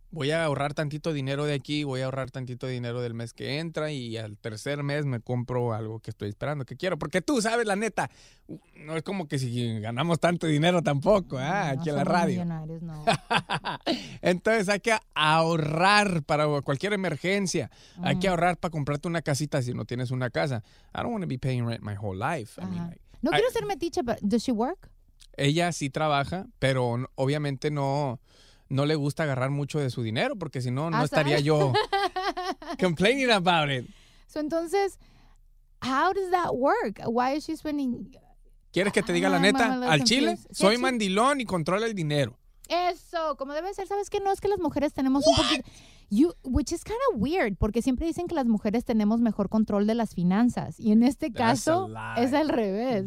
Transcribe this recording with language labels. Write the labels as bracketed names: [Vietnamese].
[Spanish] Voy a ahorrar tantito dinero de aquí, voy a ahorrar tantito dinero del mes que entra y al tercer mes me compro algo que estoy esperando, que quiero. Porque tú sabes, la neta, no es como que si ganamos tanto dinero tampoco, ¿eh? No, aquí en la radio. Millonarios, no. Entonces hay que ahorrar para cualquier emergencia. Uh-huh. Hay que ahorrar para comprarte una casita si no tienes una casa. [English] I don't want to be paying rent my whole life. Uh-huh. I mean, [Spanish] quiero ser metiche, [English] but does she work? [Spanish] Ella sí trabaja, pero obviamente no le gusta agarrar mucho de su dinero, porque si no, no estaría yo [English] complaining about it. So, [Spanish] entonces, [English] how does that work? Why is she spending... [Spanish] ¿Quieres que te diga la neta? ¿Al chile? Soy mandilón y controla el dinero. Eso, como debe ser, ¿sabes qué? No, es que las mujeres tenemos un poquito... [English] Which is kind of weird, [Spanish] porque siempre dicen que las mujeres tenemos mejor control de las finanzas. Y en este caso, es al revés.